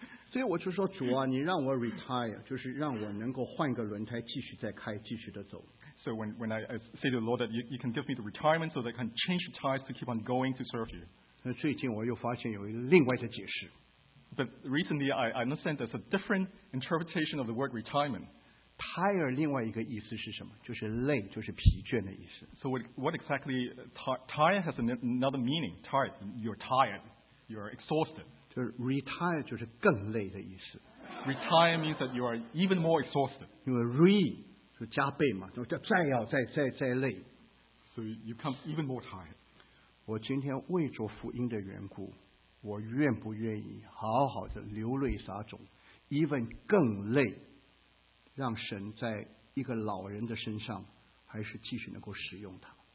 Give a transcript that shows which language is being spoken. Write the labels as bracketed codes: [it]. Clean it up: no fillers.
[zh] 所以我就说，主啊，你让我 retire， 就是让我能够换个轮胎，继续再开，继续的走。 [en] So when I say to the Lord that you can give me the retirement so that I can change the tires to keep on going to serve you. [zh] 那最近我又发现有一个另外的解释。 [en] But recently I understand there's a different interpretation of the word retirement. [zh] Tire 另外一个意思是什么？就是累，就是疲倦的意思。 [en] So what exactly tire has another meaning? Tired. You're tired. You're exhausted. [zh] 就是 retire 就是更累的意思。 [en] Retire means that you are even more exhausted. [zh] 因为 re 就加倍嘛，就再要再累。 [en] So you become even more tired. [zh] 我今天为着福音的缘故。我愿不愿意好好的流泪撒种 ，even 更累，让神在一个老人的身上，还是继续能够使用他。